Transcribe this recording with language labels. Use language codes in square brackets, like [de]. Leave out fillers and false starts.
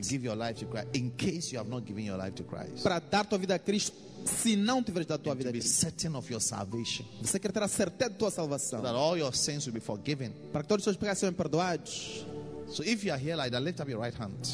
[en] To give your life to Christ, in case you have not given your life to Christ. [pt] Para dar tua vida a Cristo, se não tiveres dado tua vida a Cristo. [en] To be certain of your salvation. [pt] Você quer ter a certeza da tua salvação. [en] That all your sins will be forgiven. [pt] Para que todos os seus pecados sejam perdoados. [en] So if you are here like that, lift up your right hand.